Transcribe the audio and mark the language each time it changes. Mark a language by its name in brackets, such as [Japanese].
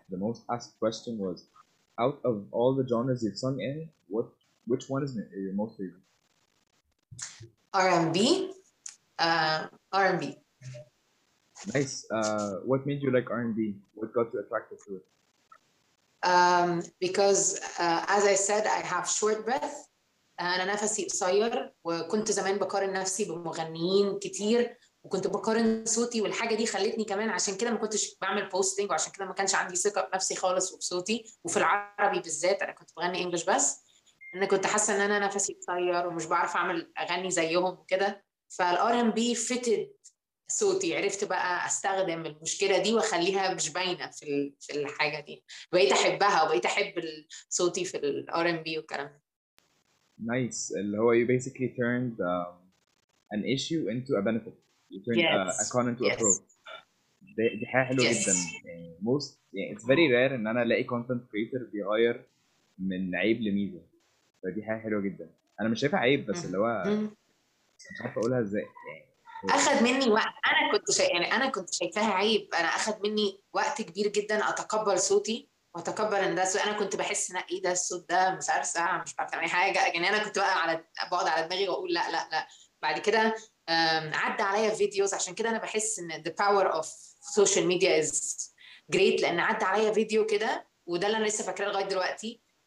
[English] The most asked question was, out of all the genres you've sung in, which one is your most favorite? R&B. R&B. Nice. What made you like R&B? What got you attracted to it? Because as I said, I have short breath. [Arabic] أنا نفسي قصير وكنت زمان بقارن نفسي بمغنيين كتير وكنت بقارن صوتي والحاجة دي خلتني كمان عشان كده ما كنتش بعمل بوستنج وعشان كده ما كانش عندي ثقة بنفسي خالص وفي صوتي وفي العربي بالذات أنا كنت بغني إنجلش بس أنا كنت حاسة إن أنا نفسي قصير ومش بعرف أعمل أغني زيهم وكده فالآر إن بي فتد صوتي عرفت بقى أستخدم المشكلة دي وأخليها مش باينة في الحاجة دي بقيت أحبها وبقيت أحب صوتي في الآر إن بي والكلام ده [English] Nice. [Arabic] اللي هو [English] you basically turned an issue into a benefit. You turned Yes. a con into a Yes. pro. [Arabic] دي حاجة حلوة [English] Yes. [Arabic] جدا. Most يعني [English] it's very rare [Arabic] إن أنا ألاقي content creator بيغير من عيب لميزة. فدي حاجة حلوة جدا. أنا مش شايفها عيب بس اللي هو مش عارف أقولها إزاي. أخذ مني وقت أنا كنت شايف يعني أنا كنت شايفاها عيب أنا أخذ مني وقت كبير جدا أتقبل صوتي وأتقبل إن ده صوتي أنا كنت بحس إن إيه ده الصوت ده مسرسع مش عارفة أي حاجة يعني أنا كنت بقى على بقعد على دماغي وأقول لا لا لا بعد كده عدى عليا فيديوز عشان كده أنا بحس إن [English] the power of social media is great [Arabic] لأن عدى عليا فيديو كده وده اللي أنا لسه فاكراه لغاية دلوقتي